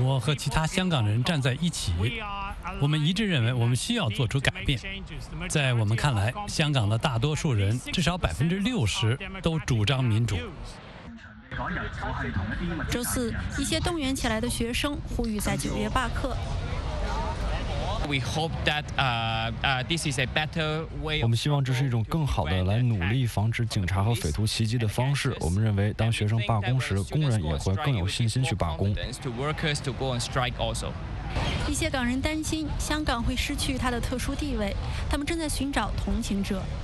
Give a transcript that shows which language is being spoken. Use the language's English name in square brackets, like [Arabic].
[Chinese] 我和其他香港人站在一起，我们一致认为我们需要做出改变。在我们看来，香港的大多数人，至少60%都主张民主。周四，一些动员起来的学生呼吁在9月罢课。 [English] We hope that this is a better way. [Chinese] 我们希望这是一种更好的来努力防止警察和匪徒袭击的方式。我们认为，当学生罢工时，工人也会更有信心去罢工。一些港人担心香港会失去它的特殊地位，他们正在寻找同情者。